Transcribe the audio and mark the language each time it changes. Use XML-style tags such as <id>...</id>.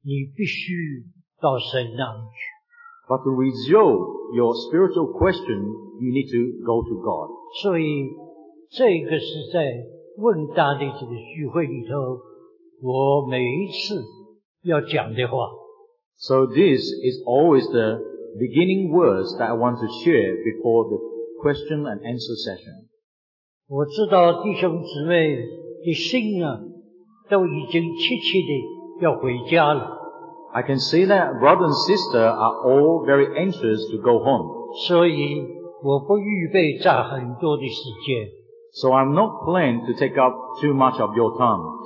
<zh>但是你真正要解决你属灵的问题，你必须到神那里去。</zh> <en>But to resolve your spiritual question, you need to go to God.</en> <zh>所以，这个是在问答的这个聚会里头。我每一次要讲的话,</zh> <en>so this is always the beginning words that I want to share before the question and answer session.</en> <zh>我知道弟兄姊妹的心啊，都已经切切的要回家了。I</zh> <en>can see that brother and sister are all very anxious to go home.</en> <zh>所以我不预备占很多的时间。So</zh> <en>I'm not planning to take up too much of your time.</en>